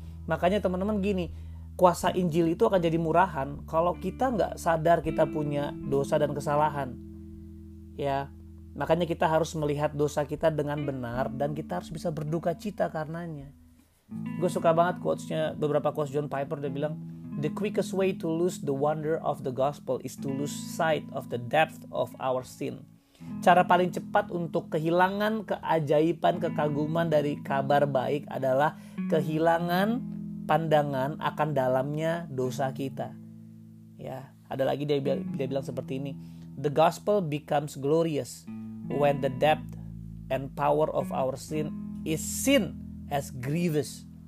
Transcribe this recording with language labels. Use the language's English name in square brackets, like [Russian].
[Indonesian] Makanya, teman-teman, gini. Kuasa Injil itu akan jadi murahan kalau kita nggak sadar kita punya dosa dan kesalahan, ya. Makanya kita harus melihat dosa kita dengan benar, dan kita harus bisa berduka cita karenanya. Gue suka banget quotes-nya, beberapa quotes John Piper. Dia bilang, [English] "The quickest way to lose the wonder of the gospel is to lose sight of the depth of our sin." [Indonesian] Cara paling cepat untuk kehilangan keajaiban, kekaguman dari kabar baik adalah kehilangan pandangan akan dalamnya dosa kita. Ya, ada lagi dia bilang seperti ini. [English] "The gospel becomes glorious when the depth and power of our sin is seen as grievous."